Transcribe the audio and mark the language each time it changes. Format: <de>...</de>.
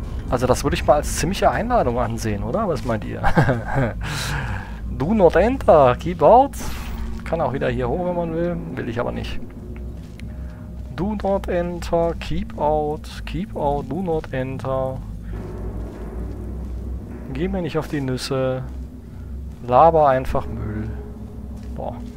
<de>Also das würde ich mal als ziemliche Einladung ansehen, oder? Was meint ihr?</de> <en>Do not enter, keep out.</en> <de>Kann auch wieder hier hoch, wenn man will. Will ich aber nicht.</de> <en>Do not enter, keep out, keep out, do not enter.</en> <de>Geh mir nicht auf die Nüsse. Laber einfach Müll. Boah.</de>